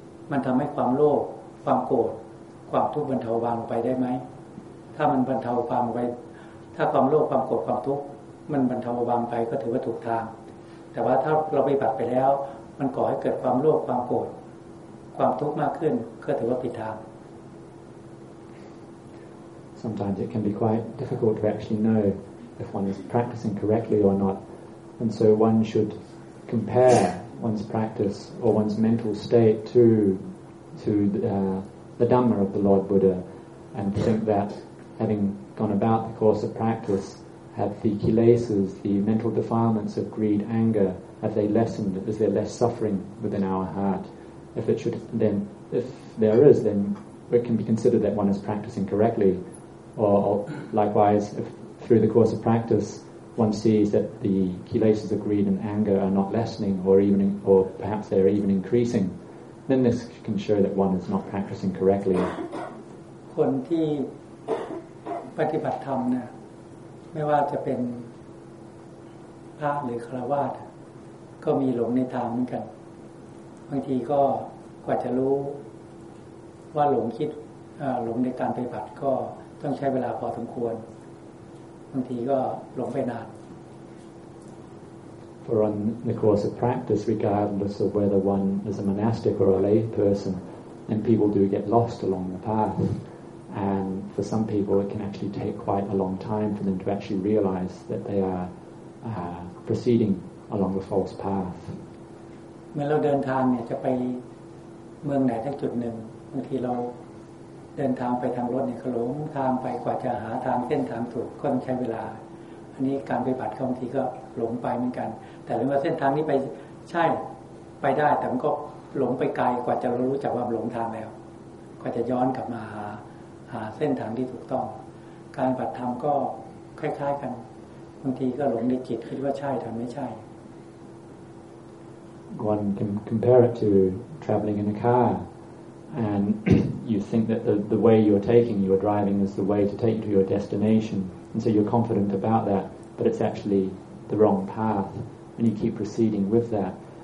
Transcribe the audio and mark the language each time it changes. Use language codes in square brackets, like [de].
[th] มันทำให้ความโลภความโกรธความทุกข์บรรเทาบางไปได้ไหมถ้ามันบรรเทาความไปถ้าความโลภความโกรธความทุกข์มันบรรเทาบางไปก็ถือว่าถูกทางแต่ว่าถ้าเราปฏิบัติไปแล้วมันก่อให้เกิดความโลภความโกรธความทุกข์มากขึ้นก็ถือว่าผิดทาง [en] Sometimes it can be quite difficult to actually know if one is practicing correctly or not and so one should compare one's practice or one's mental state to the Dhamma of the Lord Buddha and think that having gone about the course of practiceHave the kilesas, the mental defilements of greed, anger, have they lessened? Is there less suffering within our heart? If there is, then it can be considered that one is practicing correctly. Or likewise, if through the course of practice, one sees that the kilesas of greed and anger are not lessening, or even, or perhaps they are even increasing, then this can show that one is not practicing correctly. [th] คนที่ปฏิบัติธรรมเนี่ยไม่ว่าจะเป็นพระหรือฆราวาสก็มีหลงในทางเหมือนกันบางทีก็กว่าจะรู้ว่าหลงคิดหลงในการปฏิบัติก็ต้องใช้เวลาพอสมควรบางทีก็หลงไปนาน [en] For on the course of practice, regardless of whether one is a monastic or a lay person, then people do get lost along the path. And for some people, it can actually take quite a long time for them to actually realize that they are proceeding along the false path. [th] เมื่อเราเดินทางเนี่ยจะไปเมืองไหนสักจุดหนึ่งบางทีเราเดินทางไปทางรถเนี่ยขลุ่มทางไปกว่าจะหาทางเส้นทางถูกก็ต้องใช้เวลาอันนี้การปฏิบัติบางทีก็หลงไปเหมือนกันแต่ถึงว่าเส้นทางนี้ไปใช่ไปได้แต่มันก็หลงไปไกลกว่าจะรู้จักว่าหลงทางแล้วกว่าจะย้อนกลับมาหาเส้นทางที่ถูกต้องการปฏิบัติธรรมก็คล้ายๆกันบางทีก็หลงในจิตคิดว่าใช่ทำไม่ใช่ [en] One can compare it to traveling in a car and you think that the way you're taking you're driving is the way to take you to your destination and so you're confident about that but it's actually the wrong path and you keep proceeding with that